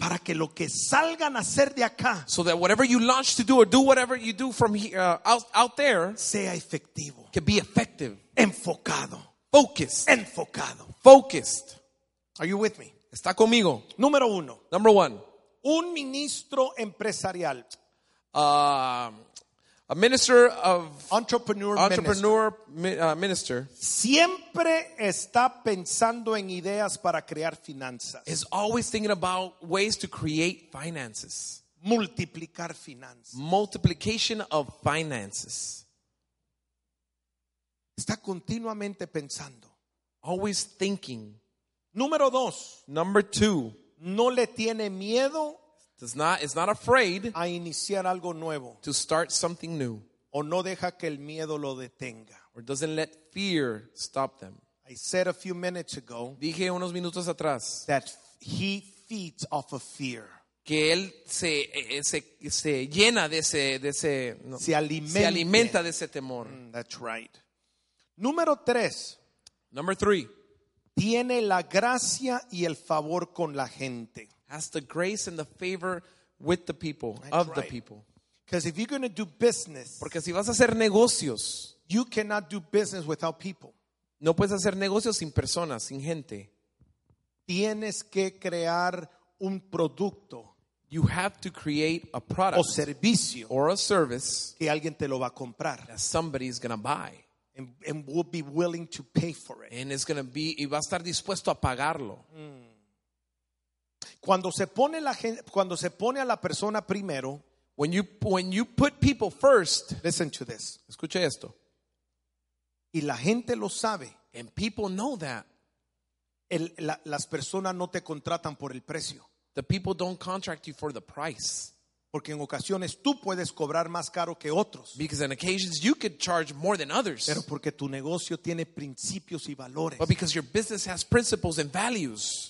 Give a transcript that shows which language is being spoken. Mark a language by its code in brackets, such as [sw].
[es] Para que lo que salgan a hacer de acá. [en] So that whatever you launch to do or do whatever you do from here, out there. [es] Sea efectivo. [en] Can be effective. [es] Enfocado. [en] Focused. [es] Enfocado. [en] Focused. Are you with me? [es] Está conmigo. Número uno. [en] Number one. [es] Un ministro empresarial. [en] A minister of entrepreneur minister. Minister [es] siempre está pensando en ideas para crear finanzas. [en] Is always thinking about ways to create finances. [es] Multiplicar finanzas. [en] Multiplication of finances. [es] Está continuamente pensando. [en] Always thinking. [es] Número dos. [en] Number two. [es] No le tiene miedo. [en] Is not afraid [es] a iniciar algo nuevo. [en] To start something new. O no deja que el miedo lo detenga. Or doesn't let fear stop them. I said a few minutes ago. [es] Dije unos minutos atrás. [en] That he feeds off of fear. [es] Que él se llena de ese. No, se alimenta de ese temor. [en] That's right. [es] Número tres. [en] Number three. [es] Tiene la gracia y el favor con la gente. [en] Has the grace and the favor with the people. That's of right. The people. Because if you're going to do business. [es] Porque si vas a hacer negocios. [en] You cannot do business without people. [es] No puedes hacer negocios sin personas, sin gente. Tienes que crear un producto. [en] You have to create a product. [es] O servicio. [en] Or a service. [es] Que alguien te lo va a comprar. [en] That somebody is going to buy. And will be willing to pay for it. And it's going to be, [es] y va a estar dispuesto a pagarlo. Cuando se pone a la persona primero, [en] when you put people first, listen to this. [es] Escuche esto. Y la gente lo sabe. [en] And people know that. [es] Las personas no te contratan por el precio. [en] The people don't contract you for the price. [es] Porque en ocasiones tú puedes cobrar más caro que otros. [en] Because in occasions you could charge more than others. [es] Pero porque tu negocio tiene principios y valores. [en] But because your business has principles and values.